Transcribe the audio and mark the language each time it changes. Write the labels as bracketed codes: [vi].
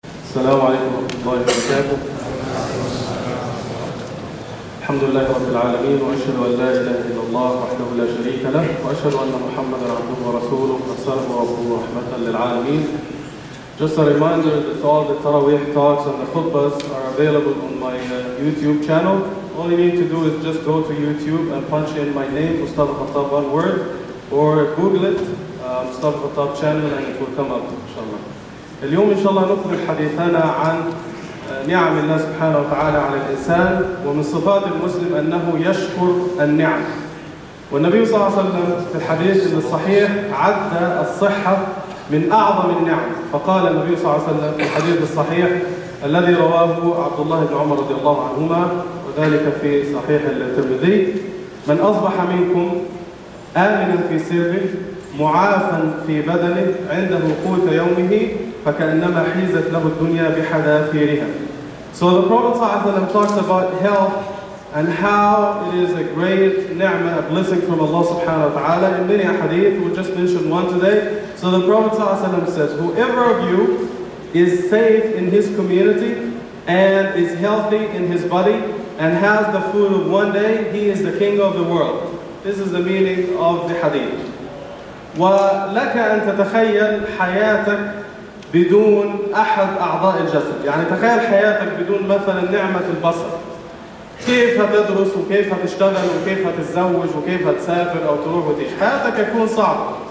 [ar] السلام عليكم ورحمة الله وبركاته. الحمد لله رب العالمين، وأشهد أن لا إله إلا الله وحده لا شريك له، وأشهد أن محمد عبده ورسوله أرسله ربه رحمة للعالمين. [en] Just a reminder that all the Taraweeh talks and the khutbas are available on my YouTube channel. All you need to do is just go to YouTube and punch in my name, Mustafa Khattab, one word, or Google it, Mustafa Khattab channel, and it will come up, inshallah. [ar] اليوم إن شاء الله نكمل حديثنا عن نعم الله سبحانه وتعالى على الإنسان، ومن صفات المسلم أنه يشكر النعم. والنبي صلى الله عليه وسلم في الحديث الصحيح عد الصحة من أعظم النعم، فقال النبي صلى الله عليه وسلم في الحديث الصحيح الذي رواه عبد الله بن عمر رضي الله عنهما، وذلك في صحيح الترمذي: من أصبح منكم آمنا في سره معافا في بدنه عند قوت يومه فكأنما حيزت له الدنيا بحذافيرها. [en] So the Prophet ﷺ talks about health and how it is a great ni'mah, a blessing from Allah subhanahu wa ta'ala. In many hadith, we'll just mention one today. So the Prophet ﷺ says, whoever of you is safe in his community and is healthy in his body and has the food of one day, he is the king of the world. This is the meaning of the hadith. [ar] ولك أن تتخيل حياتك بدون أحد أعضاء الجسد، يعني تخيل حياتك بدون مثلا نعمة البصر، كيف هتدرس وكيف هتشتغل وكيف هتتزوج وكيف هتسافر أو تروح وتيجي، حياتك يكون صعب.